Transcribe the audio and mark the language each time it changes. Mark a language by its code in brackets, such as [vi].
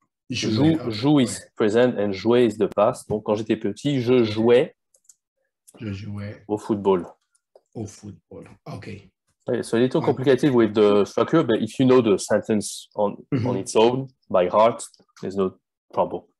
[en] Joue is present and jouer is the past. [fr] Donc quand j'étais petit, je jouais au football. Au football, ok. [en] It's a little complicated with the structure, but if you know the sentence on its own, by heart, there's no problem.